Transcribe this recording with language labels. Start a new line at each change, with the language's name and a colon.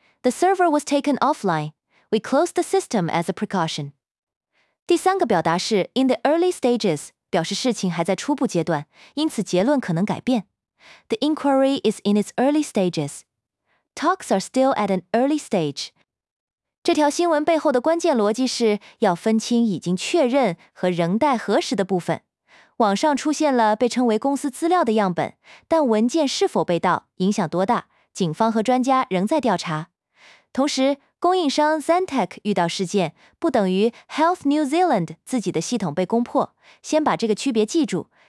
English: The server was taken offline， we closed the system as a precaution。
Chinese: 第三个表达是 in the early stages， 表示事情还在初步阶段，因此结论可能改变。
English: The inquiry is in its early stages， talks are still at an early stage。
Chinese: 这条新闻背后的关键逻辑是要分清已经确认和仍待核实的部分。网上出现了被称为公司资料的样本，但文件是否被盗，影响多大，警方和专家仍在调查。同时，供应商 Zentech 遇到事件，不等于 Health New Zealand 自己的系统被攻破，先把这个区别记住。